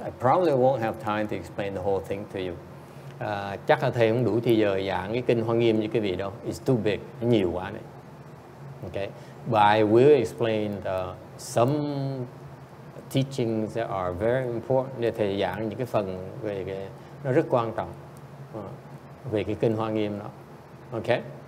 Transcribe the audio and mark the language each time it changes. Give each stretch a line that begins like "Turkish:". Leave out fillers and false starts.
English: I probably won't have time to explain the whole thing to you.
Vietnamese: Chắc là thầy không đủ thời giờ giảng cái kinh Hoa Nghiêm như cái vị đâu.
English: It's too big,
Vietnamese: nhiều quá này.
English: Okay. But I will explain some teachings that are very important.
Vietnamese: Để thầy giảng những cái phần về cái nó rất quan trọng về cái kinh Hoa Nghiêm đó. Okay.